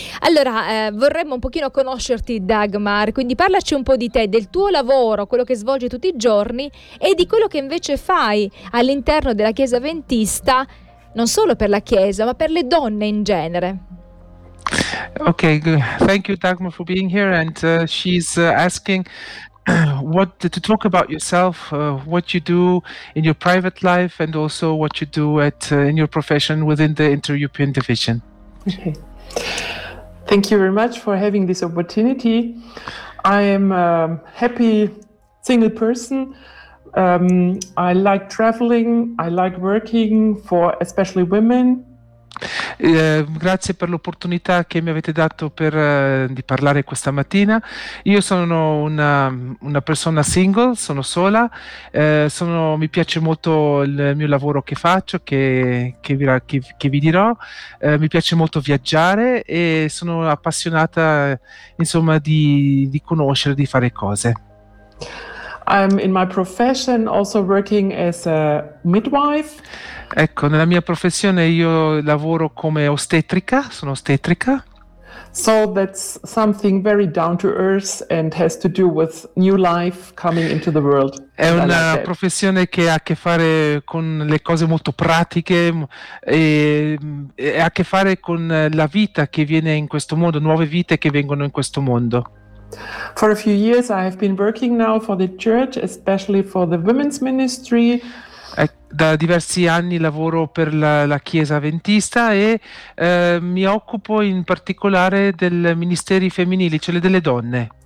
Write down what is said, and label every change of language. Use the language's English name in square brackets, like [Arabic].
[Italian] Allora, vorremmo un pochino conoscerti, Dagmar, quindi parlaci un po' di te, del tuo lavoro, quello che svolgi tutti i giorni e di quello che invece fai all'interno della Chiesa Adventista, non solo per la Chiesa, ma per le donne in genere. [English] Okay, thank you, Dagmar, for being here. And she's asking what to talk about yourself, what you do in your private life, and also what you do at in your profession within the Inter-European Division. Okay. Thank you very much for having this opportunity. I am a happy single person. I like traveling, I like working for especially women. [Italian] Grazie per l'opportunità che mi avete dato per di parlare questa mattina. Io sono una persona single, sono sola, mi piace molto il mio lavoro che faccio, che vi dirò. Mi piace molto viaggiare e sono appassionata, insomma, di conoscere, di fare cose. [English] I'm in my profession also working as a midwife. [Italian] Ecco, nella mia professione io lavoro come ostetrica, sono ostetrica. [English] So that's something very down to earth and has to do with new life coming into the world. [Italian] È una professione che ha a che fare con le cose molto pratiche e ha a che fare con la vita che viene in questo mondo, nuove vite che vengono in questo mondo. [English] For a few years I have been working now for the church, especially for the women's ministry. [Italian] Da diversi anni lavoro per la Chiesa Adventista e mi occupo in particolare del ministeri femminili, cioè delle donne.